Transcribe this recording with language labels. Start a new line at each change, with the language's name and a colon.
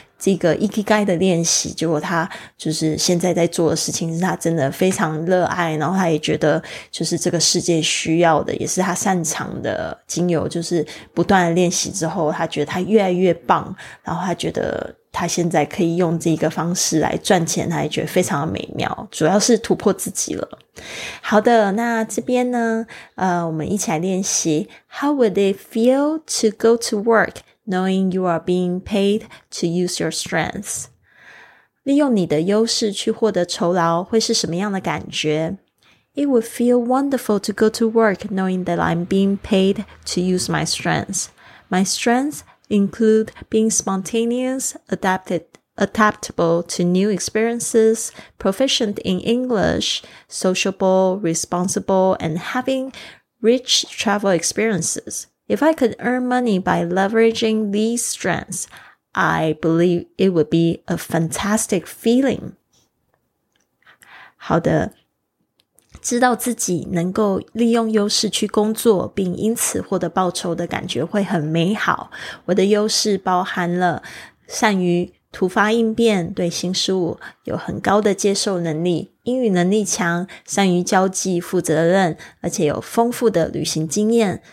Chinese: Ikigai 的练习，结果他就是现在在做的事情是他真的非常热爱，然后他也觉得就是这个世界需要的，也是他擅长的，经由就是不断的练习之后，他觉得他越来越棒，然后他觉得他现在可以用这个方式来赚钱，他也觉得非常的美妙，主要是突破自己了。好的，那这边呢我们一起来练习。
English: How would it feel to go to work knowing you are being paid to use your strengths?
Chinese: 利用你的优势去获得酬劳会是什么样的感觉？
English: It would feel wonderful to go to work knowing that I'm being paid to use my strengths. My strengthsinclude being spontaneous, adaptable to new experiences, proficient in English, sociable, responsible, and having rich travel experiences. If I could earn money by leveraging these strengths, I believe it would be a fantastic feeling.
Chinese: 好的，知道自己能够利用优势去工作并因此获得报酬的感觉会很美好。我的优势包含了善于突发应变，对新事物有很高的接受能力，英语能力强，善于交际，负责任，而且有丰富的旅行经验。